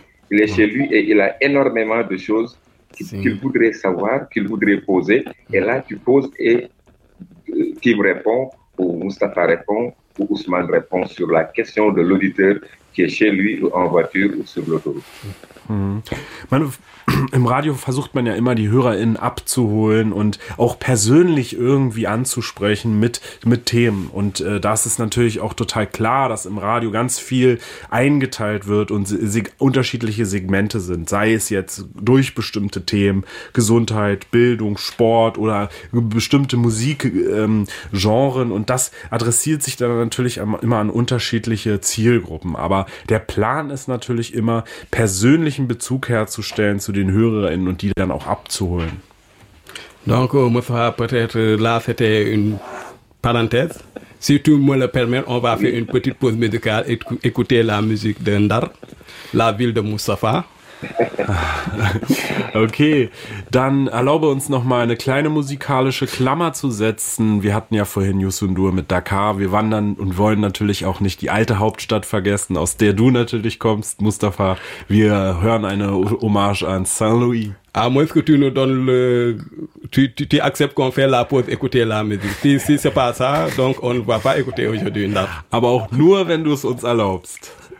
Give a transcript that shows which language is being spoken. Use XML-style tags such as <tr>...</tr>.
<fr>Il est chez lui et il a énormément de choses qu'il voudrait savoir, qu'il voudrait poser. Et là, tu poses et Kim répond, ou Moustapha répond, où Ousmane répond sur la question de l'auditeur qui est chez lui ou en voiture ou sur l'autoroute.</fr> <de>Im Radio versucht man ja immer, die HörerInnen abzuholen und auch persönlich irgendwie anzusprechen mit Themen. Und das ist natürlich auch total klar, dass im Radio ganz viel eingeteilt wird und unterschiedliche Segmente sind. Sei es jetzt durch bestimmte Themen, Gesundheit, Bildung, Sport oder bestimmte Musikgenren. Und das adressiert sich dann natürlich immer an unterschiedliche Zielgruppen. Aber der Plan ist natürlich immer, persönlichen Bezug herzustellen zu den HörerInnen und die dann auch abzuholen.</de> <fr>Donc, Moussa, peut-être là, c'était une parenthèse. Si tu me le permets, on va faire une petite pause musicale et écouter la musique de Ndar, la ville de Moustapha.</fr> <de>Okay, dann erlaube uns nochmal eine kleine musikalische Klammer zu setzen. Wir hatten ja vorhin Youssou N'Dour mit Dakar. Wir wandern und wollen natürlich auch nicht die alte Hauptstadt vergessen, aus der du natürlich kommst, Mustafa. Wir hören eine Hommage an Saint-Louis.</de> <fr>À moins que tu nous donnes le... Tu acceptes qu'on fait la pause, écouter la musique. Si c'est pas ça, donc on ne va pas écouter aujourd'hui. Non.</fr> <de>Aber auch nur, wenn du es uns erlaubst.</de>